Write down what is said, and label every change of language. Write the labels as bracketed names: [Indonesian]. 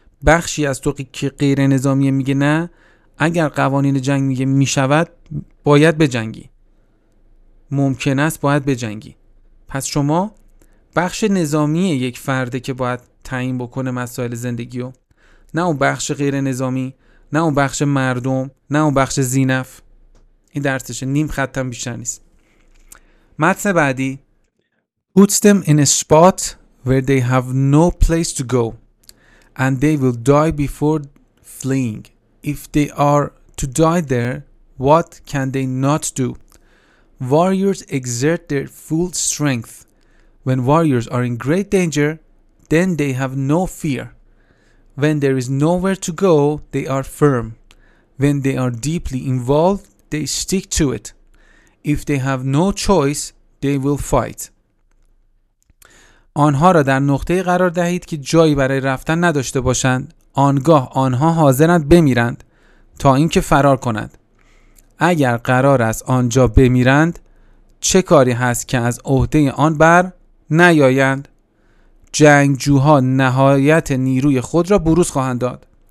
[Persian] بخشی از تو که غیر نظامی میگه نه، اگر قوانین جنگ میگه میشود باید بجنگی، ممکن است باید بجنگی. پس شما بخش نظامی یک فرده که باید تعیین بکنه مسائل زندگیو، نه اون بخش غیر نظامی، نه اون بخش مردم، نه اون بخش زینف. این درسشه، نیم خطم بیشتر نیست. متن بعدی: [English] Put them in a spot where they have no place to go and they will die before fleeing. If they are to die there, what can they not do? Warriors exert their full strength. When warriors are in great danger, then they have no fear. When there is nowhere to go, they are firm. When they are deeply involved, they stick to it. If they have no choice, they will fight. [Persian] آنها را در نقطه قرار دهید که جایی برای رفتن نداشته باشند. آنگاه آنها حاضرند بمیرند تا اینکه فرار کنند. اگر قرار است آنجا بمیرند، چه کاری هست که از عهده آن بر نیایند؟ جنگجوها نهایت نیروی خود را بروز خواهند داد.